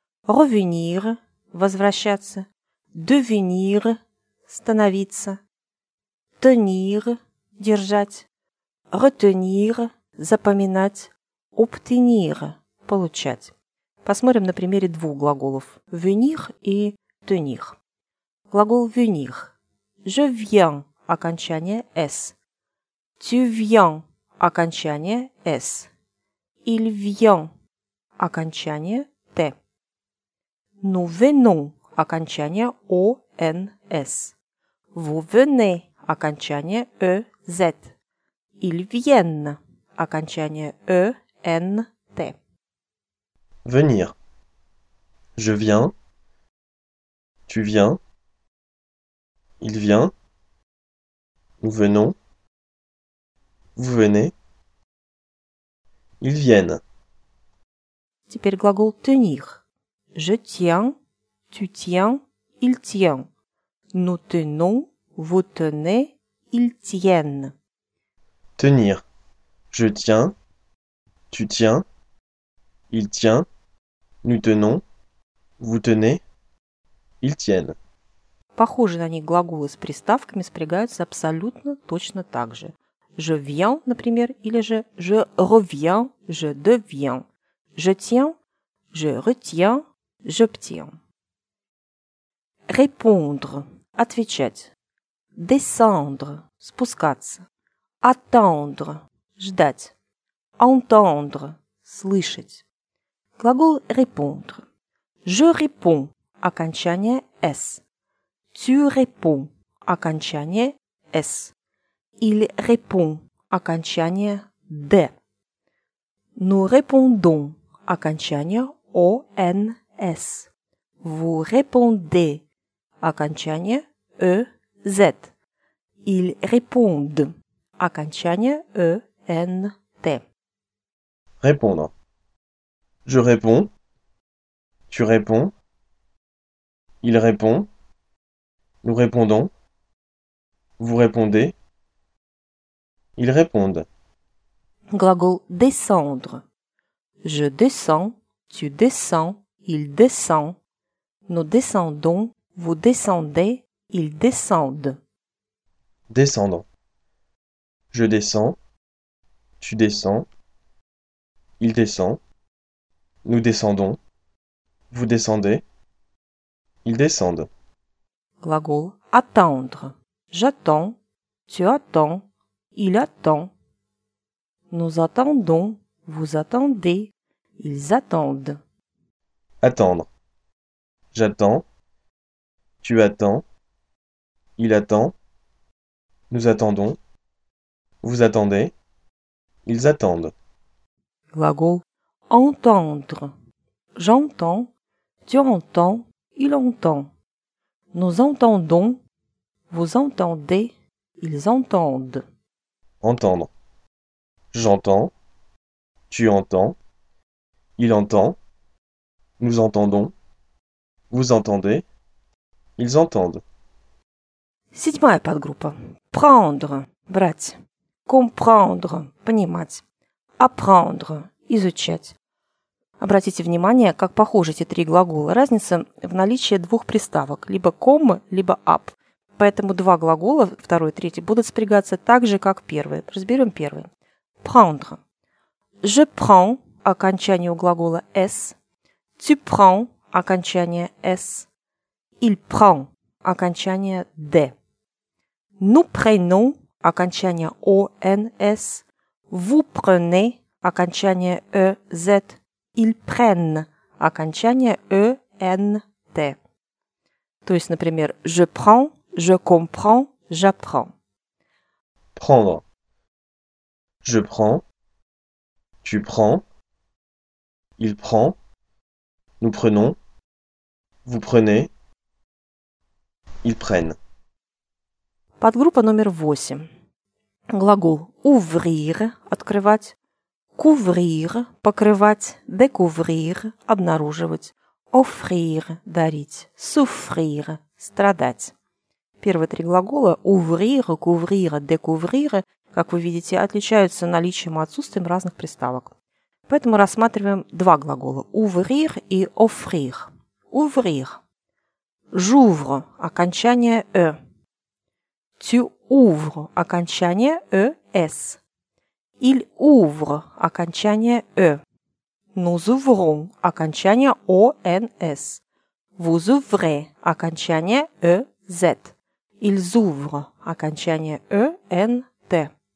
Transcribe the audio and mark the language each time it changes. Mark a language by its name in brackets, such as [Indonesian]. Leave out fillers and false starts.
[Russian] «Revenir» – возвращаться. «Devenir» – становиться. «Tenir» – держать. «Retenir» – запоминать. «Obtenir» – получать. Посмотрим на примере двух глаголов – «venir» и «tenir». Глагол «venir». [French] «Je viens» – [Russian] окончание «s». [French] «Tu viens» – окончание «s». «Il vient» – [Russian] окончание «t». [French] «Nous venons» – [Russian] окончание «ons». [French] «Vous venez» – [Russian] окончание «ez». [French] «Ils viennent» – [Russian] окончание «ent». [French] Venir. Je viens. Tu viens. Il vient. Nous venons. Vous venez. Ils viennent. [Russian] Теперь глагол tenir. [French] Je tiens. Tu tiens. Il tient. Nous tenons. Vous tenez. Ils tiennent. Tenir. Je tiens. Tu tiens. Il tient. Nous tenons, vous tenez, ils tiennent. [Russian] Похожие на них глаголы с приставками спрягаются абсолютно точно так же. [French] Je viens, [Russian] например, или же [French] je reviens, je deviens. Je tiens, je retiens, j'obtiens. [Russian] Répondre, отвечать. Descendre, спускаться. Attendre, ждать. Entendre, слышать. Глагол répondre. [French] Je réponds, [Russian] окончание s. [French] Tu réponds, окончание s. Il répond, [Russian] окончание d. [French] Nous répondons, [Russian] окончание ons. [French] Vous répondez, [Russian] окончание ez. [French] Ils répondent, [Russian] окончание ent. [French] Répondre. Je réponds, tu réponds, il répond, nous répondons, vous répondez, ils répondent. [Russian] Глагол descendre. [French] Je descends, tu descends, il descend, nous descendons, vous descendez, ils descendent. Descendre. Je descends, tu descends, il descend. Nous descendons. Vous descendez. Ils descendent. [Russian] Глагол attendre. [French] J'attends. Tu attends. Il attend. Nous attendons. Vous attendez. Ils attendent. Attendre. J'attends. Tu attends. Il attend. Nous attendons. Vous attendez. Ils attendent. [Russian] Глагол entendre. [French] J'entends. Tu entends. Il entend. Nous entendons. Vous entendez, ils entendent. Entendre. J'entends, tu entends, il entend, nous entendons, vous entendez, ils entendent. [Russian] Седьмая подгруппа. Prendre, брать. Comprendre, понимать. Apprendre, изучать. Обратите внимание, как похожи эти три глагола. Разница в наличии двух приставок, либо com, либо up. Поэтому два глагола, второй и третий, будут спрягаться так же, как первый. Разберем первый. Prendre. [French] Je prends, [Russian] окончание у глагола s. [French] Tu prends, [Russian] окончание s. [French] Il prend, [Russian] окончание d. [French] Nous prenons, [Russian] окончание ons. [French] Vous prenez, [Russian] окончание ez. [French] Ils prennent, [Russian] окончание ent. [French] То есть, например, je prends, je comprends, j'apprends. Prendre. Je prends, tu prends, il prend, nous prenons, vous prenez, ils prennent. [Russian] Подгруппа номер 8. Глагол ouvrir, открывать. Couvrir, покрывать, découvrir, обнаруживать. Offrir, дарить. Souffrir, страдать. Первые три глагола ouvrir, couvrir, découvrir, как вы видите, отличаются наличием и отсутствием разных приставок. Поэтому рассматриваем два глагола ouvrir и offrir. [French] Ouvrir. J'ouvre, [Russian] окончание e. [French] Tu ouvres, [Russian] окончание es. [French] Il ouvre, [Russian] окончание e. [French] Nous ouvrons, [Russian] окончание ons. [French] Vous ouvrez, [Russian] окончание ez. [French] Ils ouvrent, [Russian] окончание ent.